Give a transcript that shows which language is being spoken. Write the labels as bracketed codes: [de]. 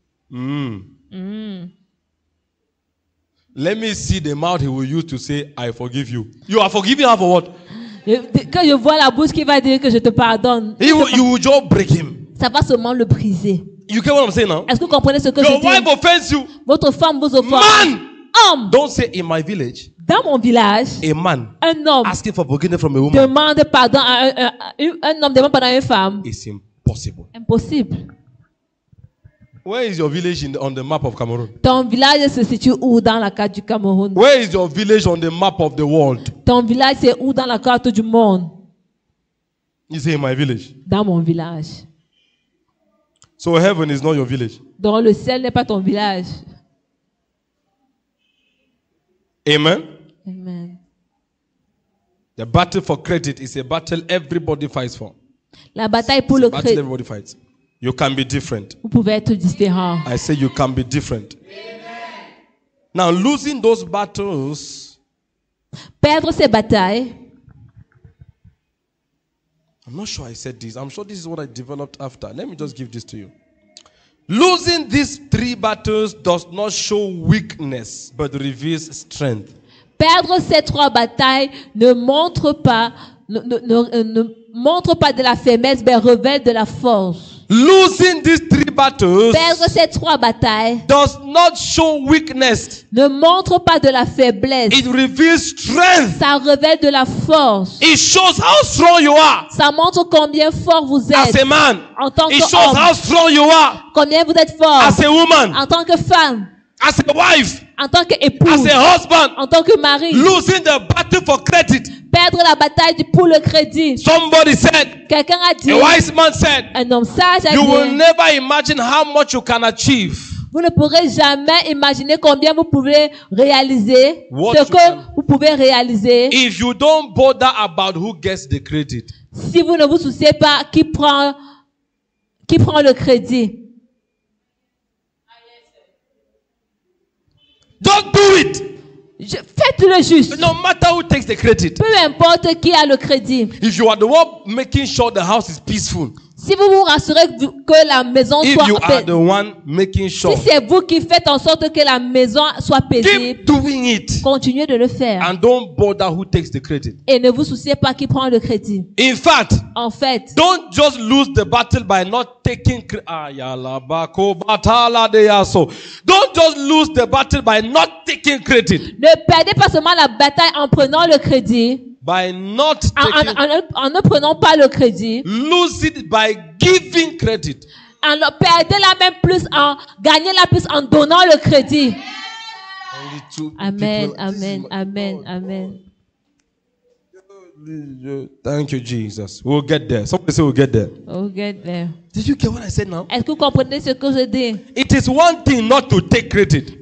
[en] Let me see the mouth he will use to say, I forgive you. You are forgiving her for what? [fr] Quand je vois la bouche qui va dire que je te pardonne. [en] You will just break him. [fr] Ça va seulement le briser. [en] You get what I'm saying now? [fr] Est-ce que vous comprenez ce que [en] Your [fr] je dis? [en] Your wife offends you. [fr] Votre femme vous offense. [en] Man! [fr] Homme! [en] Don't say in my village. [fr] Dans mon village, [en] a man [fr] un homme [en] asking for forgiveness from a woman, [fr] demande pardon à un homme demande pardon à une femme. [en] It's impossible. [fr] Impossible. [en] Where is your village in the, on the map of Cameroon? [fr] Ton village se situe où dans la carte du Cameroun? [en] Where is your village on the map of the world? [fr] Ton village c'est où dans la carte du monde? [en] You say in my village. [fr] Dans mon village. [en] So heaven is not your village. [fr] Donc le ciel n'est pas ton village. Amen. Amen. [en] The battle for credit is a battle everybody fights for. [fr] La bataille pour [en] it's [fr] le [en] crédit. Everybody fights. You can be different. [fr] Vous pouvez être différent. [en] I say you can be different. Amen. Now losing those battles. [fr] Perdre ces batailles. [en] I'm not sure I said this. I'm sure this is what I developed after. Let me just give this to you. Losing these three battles does not show weakness, but reveals strength. [fr] Perdre ces trois batailles ne montre pas de la faiblesse, mais révèle de la force. [en] Losing these three battles, [fr] perdre ces trois batailles, [en] does not show weakness. [fr] Ne montre pas de la faiblesse. [en] It reveals strength. [fr] Ça révèle de la force. [en] It shows how strong you are. [fr] Ça montre combien fort vous êtes. [en] As a man, [fr] en tant [en] it shows [fr] homme, [en] how strong you are. [fr] Combien vous êtes fort. [en] As a woman, [fr] en tant que femme. [en] As a wife, [fr] en tant qu'épouse. [en] As a husband, [fr] en tant que mari. [en] Losing the battle for credit. [fr] Perdre la bataille pour le crédit. [en] Somebody said. [fr] Quelqu'un a dit. [en] A wise man said. [fr] Un homme sage a dit. [en] You will never imagine how much you can achieve. [fr] Vous ne pourrez jamais imaginer combien vous pouvez réaliser [en] what [fr] ce que [en] can. [fr] Vous pouvez réaliser. [en] If you don't bother about who gets the credit. [fr] Si vous ne vous souciez pas qui prend le crédit. [en] Don't do it. [fr] Faites-le juste. [en] No matter who takes the credit. [fr] Peu importe qui a le crédit. [en] If you are the one making sure the house is peaceful. [fr] Si vous vous rassurez que la maison [en] if [fr] soit [en] you are the one making sure. [fr] Si c'est vous qui faites en sorte que la maison soit paisible. [en] Keep doing it. [fr] Continuez de le faire. [en] And don't bother who takes the credit. [fr] Et ne vous souciez pas qui prend le crédit. [en] In fact. [fr] En fait. [en] Don't just lose the battle by not taking don't just lose the battle by not taking credit. [fr] Ne perdez pas seulement la bataille en prenant le crédit. [en] By not taking, [fr] en ne prenant pas le crédit, [en] lose it by giving credit. [fr] En perdant la même plus en gagnant la plus en donnant le crédit. [en] Only two amen, people. Amen, amen, God, amen. God. Thank you, Jesus. We'll get there. Somebody say we'll get there. We'll get there. Did you get what I said now? [fr] Est-ce que vous comprenez ce que je dis? [en] It is one thing not to take credit.